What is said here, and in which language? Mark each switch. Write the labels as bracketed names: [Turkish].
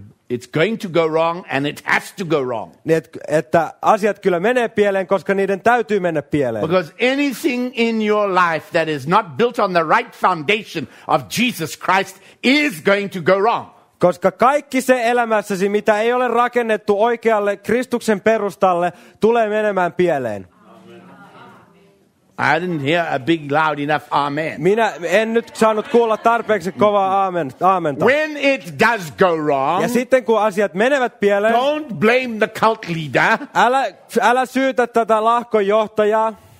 [English] It's going to go wrong and it has to go wrong. [Finnish] Että asiat kyllä menee pieleen, koska niiden täytyy mennä pieleen. [English] Because anything in your life that is not built on the right foundation of Jesus Christ is going to go wrong. [Finnish] Koska kaikki se elämässäsi, mitä ei ole rakennettu oikealle Kristuksen perustalle, tulee menemään pieleen. [English] I didn't hear a big loud enough amen. [Finnish] Minä en nyt saanut kuulla tarpeeksi kovaa aamenta. [English] When it does go wrong, [Finnish] ja sitten kun asiat menevät pieleen, [English] don't blame the cult leader. [Finnish] Älä syytä tätä lahkon johtajaa.